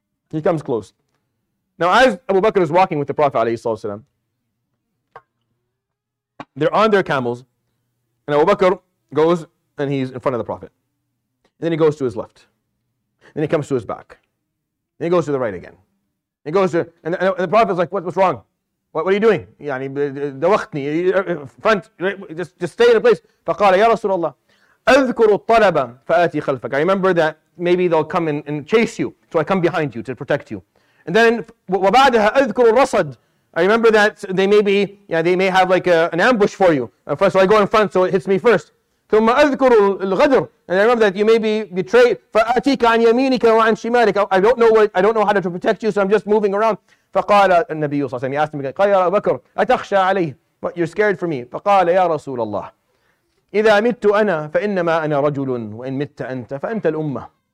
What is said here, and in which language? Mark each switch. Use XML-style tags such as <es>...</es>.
<en>He comes close. Now as Abu Bakr is walking with the Prophet alayhi salatu wasalam, they're on their camels, and Abu Bakr goes and he's in front of the Prophet. And then he goes to his left. Then he comes to his back. Then he goes to the right again. He goes to, and the Prophet's like, what's wrong? What are you doing?</en> <ar>يعني, دوختني,</ar> <en>front, just stay in the place.</en> <ar>فَقَالَ يَا رَسُولَ اللَّهِ أَذْكُرُ الطَّلَبَ فَآتِي خَلْفَكَ.</ar> <en>I remember that maybe they'll come and chase you, so I come behind you to protect you. And then</en> <ar>وَبَعْدَهَا أَذْكُرُ الرَّصَد.</ar> <en>I remember that they may have like an ambush for you. So I go in front, so it hits me first.</en> <ar>ثُمَّ أَذْكُرُ الْغَدْرُ.</ar> <en>And I remember that you may be betrayed.</en> <ar>فَآتِيكَ عَنْ يَمِينِكَ وَعَنْ شِمَالِكَ.</ar> <en>I don't know how to protect you, so I'm just moving around.</en> <ar>فَقَالَ النَّبِيُّ صَلَّى اللَّهُ عَلَيْهِ وَسَلَّمَ.</ar> <en>He asked him again.</en> <ar>قَالَ يَا أَبَا بَكْرَ أَتَخْشَى عَلَيْهِ.</ar> <en>But you're scared for me.</en> <ar>فَقَالَ يَا رَسُولَ اللَّهِ إذا مت أنا فإنما أنا رجل وإن مت أنت فأنت الأمة.</ar>